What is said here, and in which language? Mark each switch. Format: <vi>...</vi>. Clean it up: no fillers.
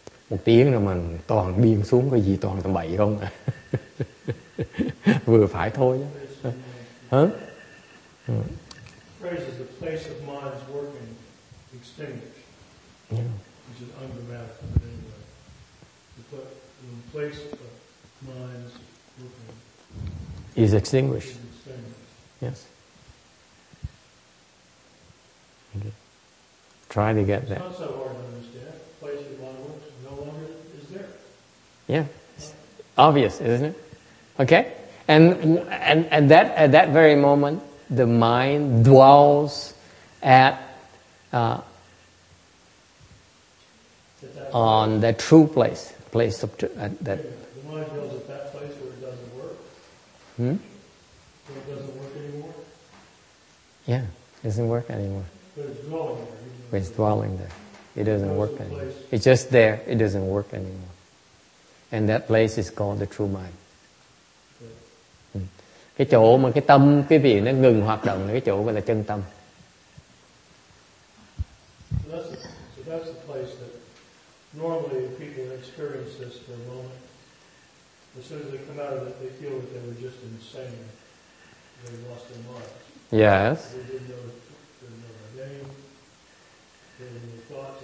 <vi>một tiếng rồi mà toàn biên xuống cái gì toàn tầm bậy không vừa phải thôi hả.</vi> <en>Praise is the place of mind's working extinguished. Yeah. Which is under math, but anyway. But the place of mind's working is extinguished. Is extinguished. Yes. Okay. Try to get there. It's not so hard to understand. The place of mind works no longer is there. Yeah. It's obvious, isn't it? Okay. And that at that very moment, the mind dwells at on that true place, place of that. The mind dwells at that place where it doesn't work. Hmm. Where it doesn't work anymore. Yeah, it doesn't work anymore. But it's dwelling there. But it's dwelling there. It doesn't work anymore. It's just there. It doesn't work anymore. And that place is called the true mind.</en> <vi>Cái chỗ mà cái tâm, cái vị nó ngừng hoạt động là cái chỗ gọi là chân tâm.</vi> <en>So that's the place that normally people experience this for a moment. As soon as they come out of it, they feel that they were just insane. They lost their mind. Yes. They didn't know their name. They didn't know their thoughts.</en>